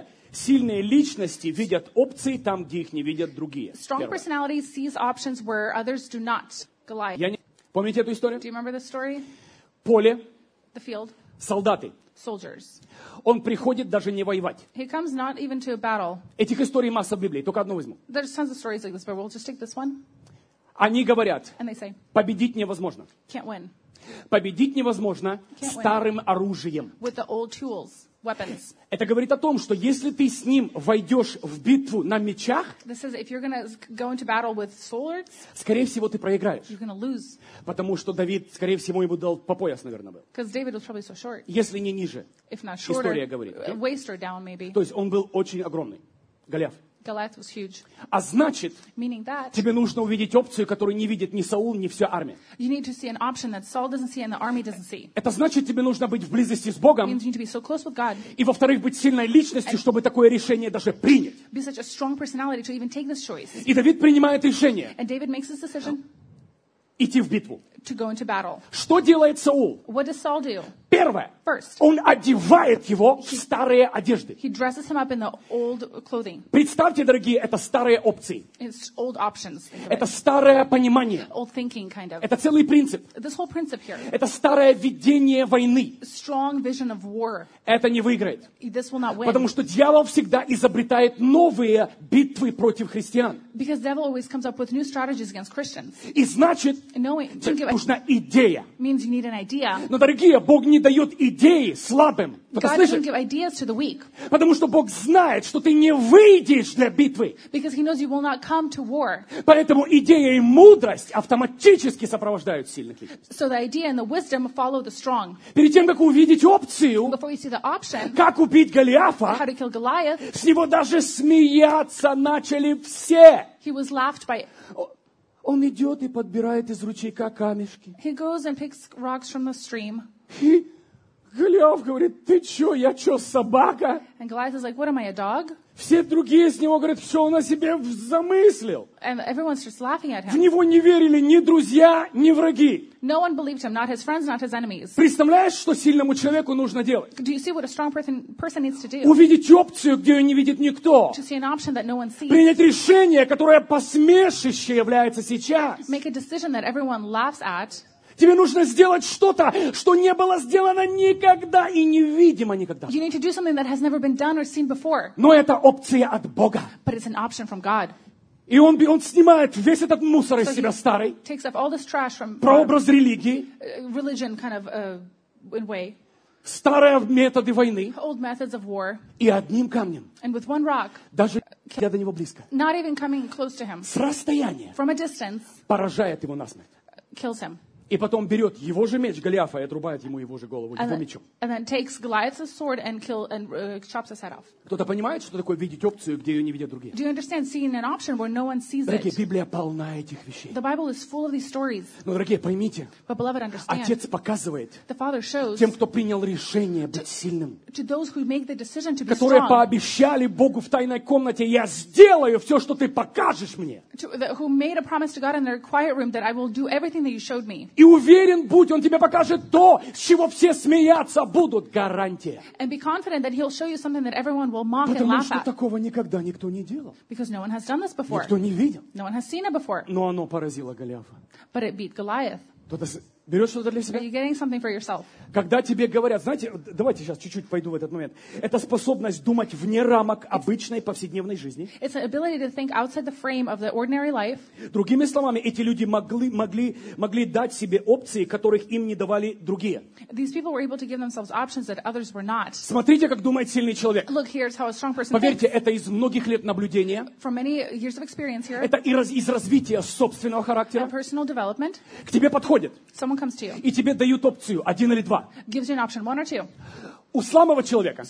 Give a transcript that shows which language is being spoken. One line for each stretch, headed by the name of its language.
Russian: Сильные личности видят опции там, где их не видят другие.
English: Strong personalities sees options where others do not. Goliath.
Russian: Помните эту историю?
English: Do you remember the story?
Russian: Поле.
English: The field.
Russian: Солдаты.
English: Soldiers.
Russian: Он приходит даже не воевать.
English: He comes not even to a battle.
Russian: Этих историй масса в Библии, только одну возьму.
English: There's tons of stories like this, but we'll just take this one.
Russian: Они говорят,
English: and they say,
Russian: победить невозможно.
English: Can't win.
Russian: Победить невозможно старым оружием.
English: With the old tools, weapons.
Russian: Это говорит о том, что если ты с ним войдешь в битву на мечах,
English: this is, if you're gonna go into battle with swords,
Russian: скорее всего, ты проиграешь.
English: You're gonna lose.
Russian: Потому что Давид, скорее всего, ему дал по пояс, наверное, был.
English: 'Cause David was probably so short.
Russian: Если не ниже.
English: If not shorter,
Russian: история говорит.
English: Okay? Waist or down, maybe.
Russian: То есть он был очень огромный. Голиаф.
English: Goliath was huge.
Russian: А значит,
English: meaning that,
Russian: тебе нужно увидеть опцию, которую не видит ни Саул, ни вся армия.
English: You need to see an option that Saul doesn't see and the army doesn't see.
Russian: Это значит, тебе нужно быть в близости с Богом.
English: Means you need to be so close with God.
Russian: И во-вторых, быть сильной личностью, and чтобы такое решение даже принять.
English: Be such a strong personality to even take this choice.
Russian: И Давид принимает решение.
English: And David makes this decision.
Russian: Идти в битву.
English: To go into battle.
Russian: Что делает Саул?
English: What does Saul do?
Russian: Первое.
English: First.
Russian: Он одевает его в старые одежды.
English: He dresses him up in the old clothing.
Russian: Представьте, дорогие, это старые опции.
English: It's old options.
Russian: Это старое понимание.
English: Old thinking, kind of.
Russian: Это целый принцип.
English: This whole principle here.
Russian: Это старое видение войны.
English: Strong vision of war.
Russian: Это не выиграет.
English: This will not win.
Russian: Потому что дьявол всегда изобретает новые битвы против христиан.
English: Because devil always comes up with new strategies against Christians.
Russian: И значит, нужна идея.
English: Means you need an idea.
Russian: Но, дорогие, Бог не дает идеи слабым.
English: God doesn't give ideas to the weak.
Russian: Потому что Бог знает, что ты не выйдешь для битвы.
English: Because he knows you will not come to war.
Russian: Поэтому идея и мудрость автоматически сопровождают сильных личностей.
English: So the idea and the wisdom follow the strong.
Russian: Перед тем, как увидеть опцию,
English: before you see the option,
Russian: как убить Голиафа,
English: how to kill Goliath,
Russian: с него даже смеяться начали все.
English: He was laughed by.
Russian: Он идет и подбирает из ручейка камешки.
English: He goes and picks rocks from the stream.
Russian: И Голиаф говорит, ты чё, я чё, собака?
English: And Goliath is like, what am I, a dog?
Russian: Все другие с него говорят, все он о себе замыслил.
English: And everyone starts laughing at him.
Russian: В него не верили ни друзья, ни враги.
English: No one believed him, not his friends, not his enemies.
Russian: Представляешь, что сильному человеку нужно делать?
English: Do you see what a strong person needs to do?
Russian: Увидеть опцию, где ее не видит никто.
English: To see an option that no one sees.
Russian: Принять решение, которое посмешище является сейчас.
English: Make a decision that everyone laughs at.
Russian: Тебе нужно сделать что-то, что не было сделано никогда и невидимо никогда.
English: You need to do something that has never been done or seen before.
Russian: Но это опция от Бога.
English: But it's an option from God.
Russian: И он снимает весь этот мусор из себя старый.
English: Takes off all this trash from
Russian: прообраз религии.
English: Religion kind of in way.
Russian: Старые методы войны.
English: Old methods of war.
Russian: И одним камнем.
English: And with one rock.
Russian: Даже до него близко.
English: Not even coming close to him.
Russian: С расстояния.
English: From a distance.
Russian: Поражает его насмерть.
English: Kills him.
Russian: И потом берет его же меч Голиафа и отрубает ему его же голову его мечом.
English: And then takes Goliath's sword and kill and chops his head off.
Russian: Кто-то понимает, что такое видеть опцию, где ее не видят другие?
English: Do you understand seeing an option where no one sees it?
Russian: Дорогие, Библия полна этих вещей.
English: The Bible is full of these stories.
Russian: Но, дорогие, поймите.
English: But beloved, understand.
Russian: Отец показывает.
English: The Father shows.
Russian: Тем, кто принял решение быть сильным.
English: To those who make the decision to be strong.
Russian: Которые пообещали Богу в тайной комнате, я сделаю все, что ты покажешь мне.
English: Who made a promise to God in their quiet room that I will do everything that you showed me.
Russian: И уверен будь, он тебе покажет то, с чего все смеяться будут, гарантия.
English: And be confident that he'll show you something that everyone will mock
Russian: Потому
English: and laugh
Russian: что
English: at.
Russian: Такого никогда никто не делал.
English: Because no one has done this before.
Russian: Никто не видел.
English: No one has seen it before.
Russian: Но оно поразило Голиафа.
English: But it beat Goliath.
Russian: Берешь что-то для себя?
English: Are you getting something for yourself?
Russian: Когда тебе говорят, знаете, давайте сейчас чуть-чуть пойду в этот момент. Это способность думать вне рамок обычной повседневной жизни.
English: It's an ability to think outside the frame of the ordinary life.
Russian: Другими словами, эти люди могли дать себе опции, которых им не давали другие.
English: These people were able to give themselves options that others were not.
Russian: Смотрите, как думает сильный человек.
English: Look, here's how a strong person
Russian: Поверьте,
English: thinks.
Russian: Это из многих лет наблюдения.
English: From many years of experience here.
Russian: Это из развития собственного характера.
English: And personal development.
Russian: К тебе подходит.
English: Someone comes to you.
Russian: И тебе дают опцию, один или два.
English: Gives you an option, one or two.
Russian: У слабого человека.